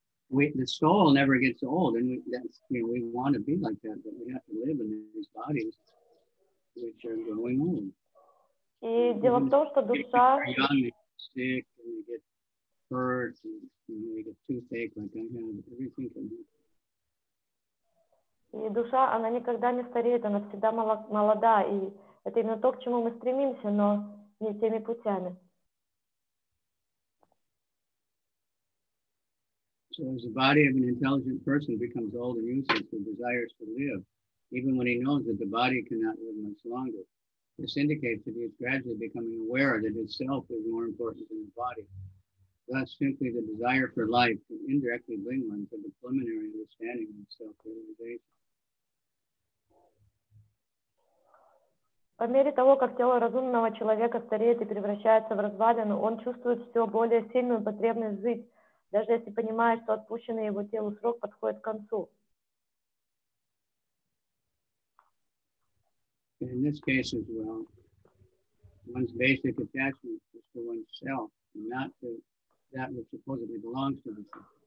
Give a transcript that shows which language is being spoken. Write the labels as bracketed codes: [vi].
[en] The soul never gets old, and we want to be like that, but we have to live in these bodies which are growing old. [ru] И дело в том, что душа... [en] Sick, and you get hurt, and you get toothache, like I have, everything can be. [ru] И душа, она никогда не стареет, она всегда молода, и это именно то, к чему мы стремимся, но не теми путями. [en] So as the body of an intelligent person becomes old and useless, the desires to live, even when he knows that the body cannot live much longer. This indicates that he is gradually becoming aware that his self is more important than the body. Thus, simply the desire for life can indirectly bring one to the preliminary understanding of self-realization. [ru] По мере того, как тело разумного человека стареет и превращается в развалину, он чувствует все более сильную потребность жить, даже если понимает, что отпущенный его телу срок подходит к концу. [en] In this case as well, one's basic attachment is to oneself, not to that which supposedly belongs to oneself.